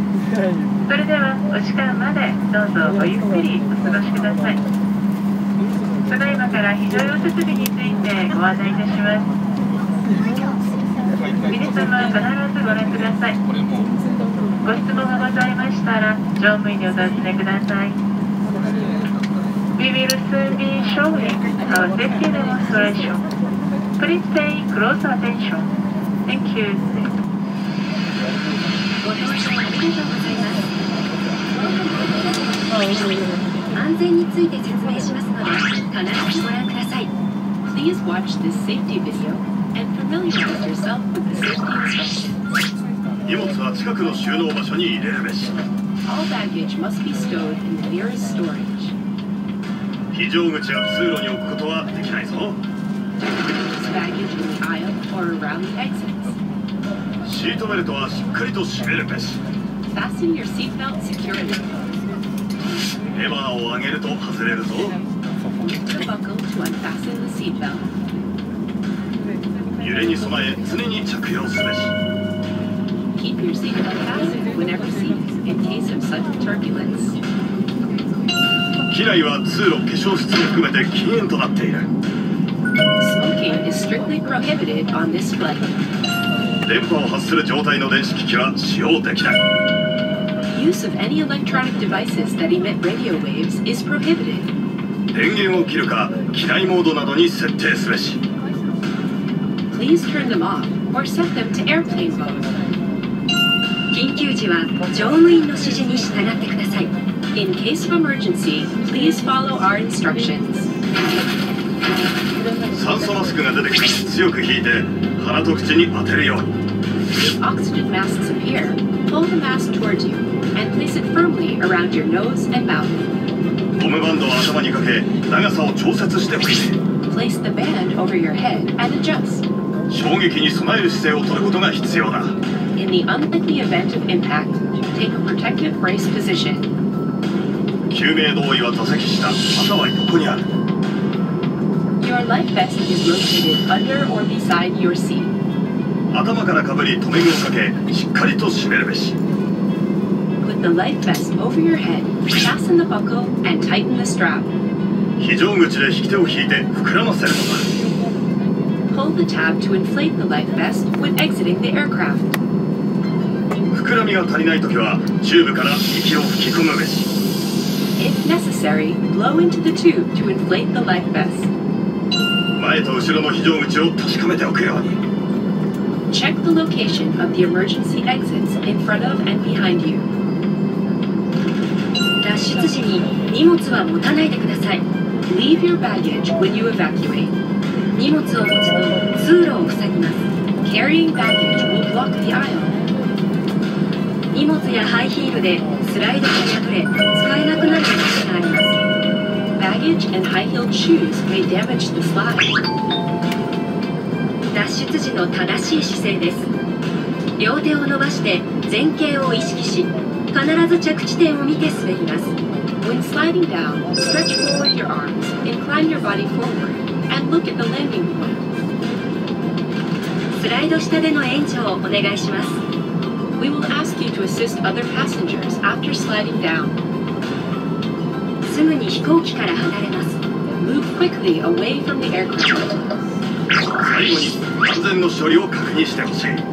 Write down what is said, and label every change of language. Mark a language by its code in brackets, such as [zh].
[ja] それではお時間までどうぞごゆっくりお過ごしください。ただいまから非常用設備についてご案内いたします。皆様は必ずご覧ください。ご質問がございましたら乗務員にお尋ねください。 [en] We will soon be showing our safety demonstration. Please pay close attention. Thank you. [ja] ご乗車ありがとうございます。安全について説明しますので必ずご覧ください。 [en] Please watch this safety videoAnd familiarize yourself with the safety instructions. [ja] 荷物は近くの収納場所に入れるべし。 [en] All baggage must be stowed in the nearest storage. [ja] 非常口や通路に置くことはできないぞ。 [en] Put baggage in the aisle or around the exits. [ja] シートベルトはしっかりと締めるべし。 [en] Fasten your seatbelt securely. [ja] レバーを上げると外れるぞ。 [en] Lift the buckle to unfasten the seatbelt. [ja] 揺れに備え常に着用すべし。 [en] Keep your seatbelt fastened whenever seated in case of sudden turbulence. [ja] 機内は通路化粧室を含めて禁煙となっている。 [en] Smoking is strictly prohibited on this flight. [ja] 電波を発する状態の電子機器は使用できない。 [en] Use of any electronic devices that emit radio waves is prohibited. [ja] 電源を切るか機内モードなどに設定すべし。 [en] Please turn them off or set them to airplane mode. [ja] 緊急時は乗務員の指示に従ってください。 [en] In case of emergency, please follow our instructions. [ja] 酸素マスクが出てきて強く引いて鼻と口に当てるように。 [en] If oxygen masks appear, pull the mask towards you and place it firmly around your nose and mouth. [ja] ゴムバンドを頭にかけ長さを調節してほしい。 [en] Place the band over your head and adjust. [ja] 衝撃に備える姿勢を取ることが必要だ。 [en] In the unlikely event of impact, take a protective brace position. [ja] 救命胴衣は座席下、または横にある。 [en] Your life vest is located under or beside your seat. [ja] 頭からかぶり留め具をかけ、しっかりと締めるべし。 [en] Put the life vest over your head, fasten the buckle, and tighten the strap. [ja] 非常口で引き手を引いて膨らませるのだ。 [en] Pull the tab to inflate the life vest when exiting the aircraft. [ja] 膨らみが足りないときはチューブから息を吹き込むべし。 [en] If necessary, blow into the tube to inflate the life vest. [ja] 前と後ろの非常口を確かめておくように。 [en] Check the location of the emergency exits in front of and behind you. [ja] 脱出時に荷物は持たないでください。 [en] Leave your baggage when you evacuate. [ja] 荷物を持つと通路を塞ぎます。 [en] Carrying baggage will block the aisle. [ja] 荷物やハイヒールでスライドが破れ使えなくなる可能性があります。 [en] Bag Baggage and high-heeled shoes may damage the slide. [ja] 脱出時の正しい姿勢です。両手を伸ばして前傾を意識し、必ず着地点を見て滑ります。 [en] When sliding down, stretch forward your arms, incline your body forward, and look at the landing point. [ja] スライド下での援助をお願いします。 [en] We will ask you to assist other passengers after sliding down. [ja] すぐに飛行機から離れます。 [en] Move quickly away from the aircraft. [ja] 最後に安全の処理を確認してほしい。